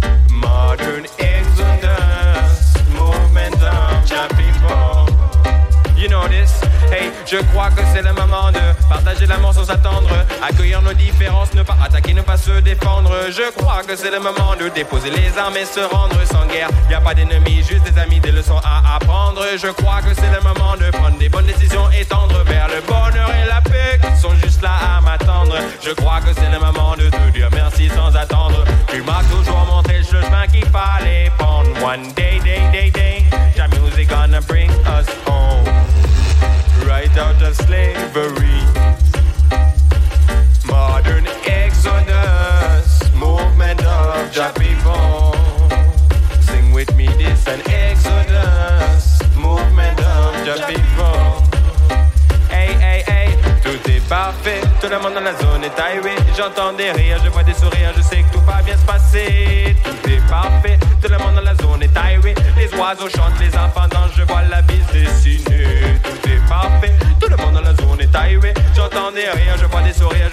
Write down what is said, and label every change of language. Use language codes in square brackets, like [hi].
[en] Modern Exodus, movement of Jah people. You know this? [fr] Hey, je crois que c'est le moment de partager l'amour sans attendre. Accueillir nos différences, ne pas attaquer, ne pas se défendre. Je crois que c'est le moment de déposer les armes et se rendre sans guerre. Y'a pas d'ennemis, juste des amis, des leçons à apprendre. Je crois que c'est le moment de prendre des bonnes décisions et tendre vers le bonheur et la paix qui sont juste là à m'attendre. Je crois que c'est le moment de te dire merci sans attendre. Tu m'as toujours montré le chemin qu'il fallait prendre. [en] One day, day, day, day, Jah music gonna bring us home. Right out of slavery. Modern Exodus, movement of Jah people. Sing with me this, an Exodus, movement of Jah people. [fr] Hey, hey, hey, tout est parfait. Tout le monde dans la zone est arrivé. J'entends des rires, je vois des sourires. Je sais que tout va bien se passer. Tout est parfait. Tout le monde dans la zone est arrivé. Les oiseaux chantent, les enfants dansent. Je vois la bise dessinée. Tout est parfait. Tout le monde dans la zone est arrivé. J'entends des rires, je vois des sourires.